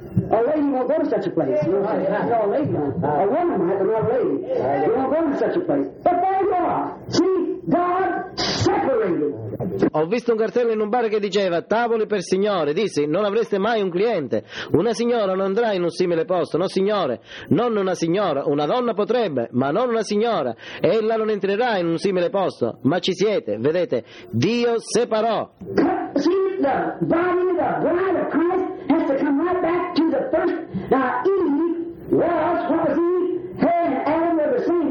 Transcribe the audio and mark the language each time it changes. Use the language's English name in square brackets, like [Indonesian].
[English] A lady won't go to such a place. No, right. Not a lady. Right. A woman might, but not a lady. Right. You won't go to such a place. But there you are. See, God separated. [Italian] Ho visto un cartello in un bar che diceva tavoli per signore. Dissi, non avreste mai un cliente. Una signora non andrà in un simile posto. No, signore, non una signora. Una donna potrebbe, ma non una signora. Ella non entrerà in un simile posto. Ma ci siete, vedete. Dio separò. [English] See, the body, the bride of Christ has to come right back to the first. Now, Eve was, what was Eve? Her and Adam were the same.